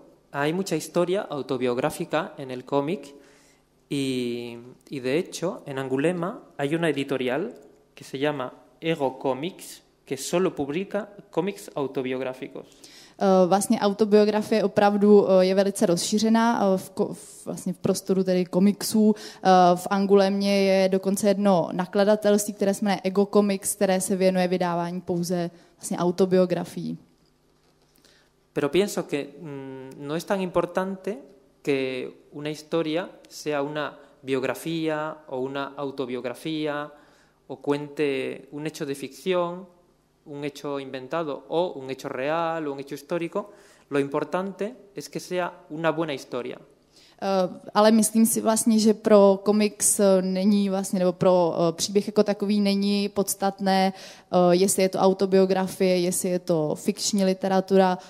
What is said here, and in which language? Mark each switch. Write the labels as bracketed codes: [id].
[es] Hay mucha historia autobiográfica en el cómic y de hecho en Angulema hay una editorial que se llama Ego Comics que solo publica cómics autobiográficos. [cs] Vlastně autobiografie opravdu je velice rozšířená vlastně v prostoru tedy komiksů. V Angulemě je dokonce jedno nakladatelství, které se jmenuje Ego Comics, které se věnuje vydávání pouze vlastně autobiografií. [es] Pero pienso que no es tan importante que una historia sea una biografía o una autobiografía o cuente un hecho de ficción, un hecho inventado o un hecho real o un hecho histórico. Lo importante es que sea una buena historia. [cs] Ale myslím si vlastně, že pro komiks není vlastně, nebo pro příběh jako takový není podstatné, jestli je to autobiografie, jestli je to fikční literatura.